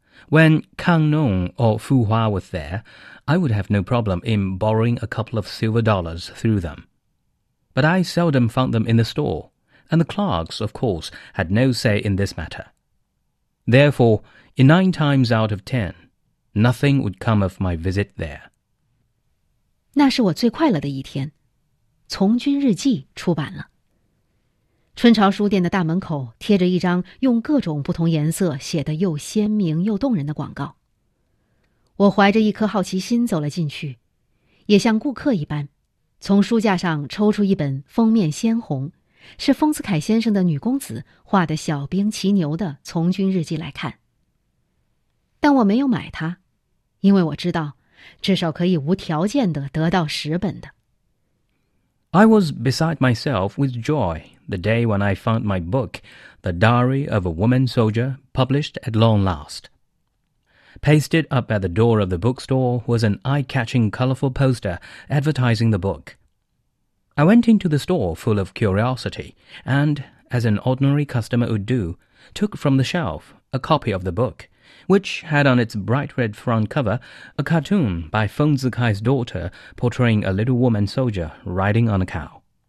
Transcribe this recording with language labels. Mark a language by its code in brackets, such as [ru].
[en] When Kang Nong or Fu Hua was there, I would have no problem in borrowing a couple of silver dollars through them. But I seldom found them in the store, and the clerks, of course, had no say in this matter. Therefore, in 9 times out of 10, nothing would come of my visit there. [zh] 那是我最快乐的一天，从军日记出版了。春潮书店的大门口贴着一张用各种不同颜色写的又鲜明又动人的广告。我怀着一颗好奇心走了进去，也像顾客一般。从书架上抽出一本封面鲜红，是丰子恺先生的女公子画的小兵骑牛的从军日记来看。但我没有买它，因为我知道至少可以无条件地得到10本的。 [en] I was beside myself with joy the day when I found my book, The Diary of a Woman Soldier, published at long last. Pasted up at the door of the bookstore was an eye-catching colorful poster advertising the book. I went into the store full of curiosity and, as an ordinary customer would do, took from the shelf a copy of the book, which had on its bright red front cover a cartoon by Feng Zikai's daughter portraying a little woman soldier riding on a cow.